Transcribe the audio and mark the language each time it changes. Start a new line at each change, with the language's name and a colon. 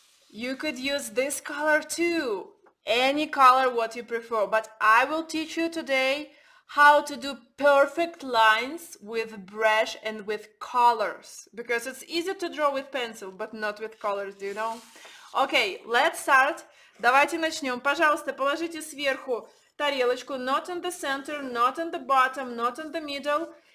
English: You could use this color too. Any color what you prefer. But I will teach you today how to do perfect lines with brush and with colors. Because it's easy to draw with pencil, but not with colors, do you know? Okay, let's start.
Russian: Давайте начнем. Пожалуйста, положите сверху тарелочку.
English: Not in the center, not in the bottom, not in the middle.